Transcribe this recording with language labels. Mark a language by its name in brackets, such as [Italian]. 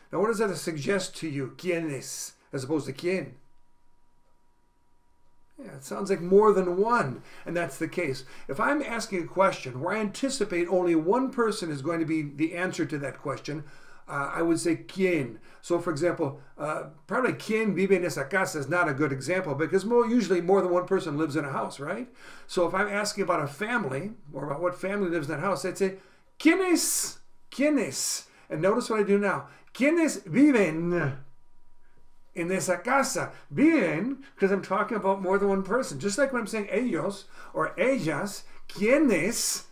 [English] Now, what does that suggest to you? ¿Quiénes? As opposed to ¿quién? It sounds like more than one, and that's the case. If I'm asking a question where I anticipate only one person is going to be the answer to that question, I would say, ¿quién? So, for example, probably [Spanish] ¿quién vive en esa casa? [English] Is not a good example, because usually more than one person lives in a house, right? So if I'm asking about a family, or about what family lives in that house, I'd say, ¿quiénes? ¿Quiénes? And notice what I do now. [Spanish] ¿Quiénes viven en esa casa? [English] Viven, because I'm talking about more than one person. Just like when I'm saying ellos or ellas, ¿quiénes?